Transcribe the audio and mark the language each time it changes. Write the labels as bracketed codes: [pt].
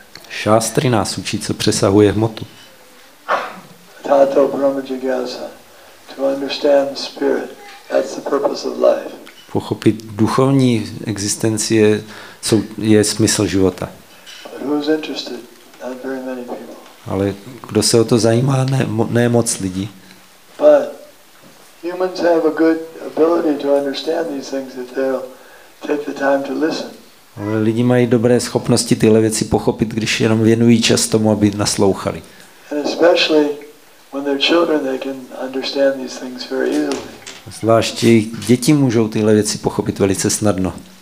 [cs] Šástry nás učí, co přesahuje hmotu. [en] Tato Brahma Jigyasa, to understand spirit, that's the purpose of life. [cs] Pochopit duchovní existenci je smysl života. [en] Who's interested? Not very many people. [cs] Ale kdo se o to zajímá? Ne moc lidí. [en] But humans have a good ability to understand these things if they'll take the time to listen. [cs] Ale lidi mají dobré schopnosti tyhle věci pochopit, když jenom věnují čas tomu, aby naslouchali. [en] And especially when they're children, they can understand these things very easily. [cs] Zvláště děti můžou tyhle věci pochopit velice snadno.